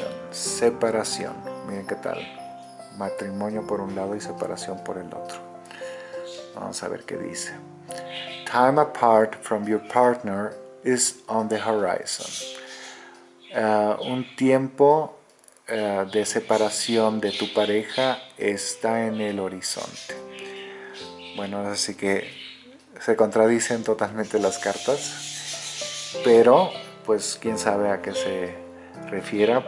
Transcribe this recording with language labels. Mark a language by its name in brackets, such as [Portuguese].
[Spanish] Separación. Miren qué tal. Matrimonio por un lado y separación por el otro. Vamos a ver qué dice. [English] Time apart from your partner is on the horizon. [Spanish] Un tiempo de separación de tu pareja está en el horizonte. Bueno, así que se contradicen totalmente las cartas. Pero, pues, quién sabe a qué se refiera.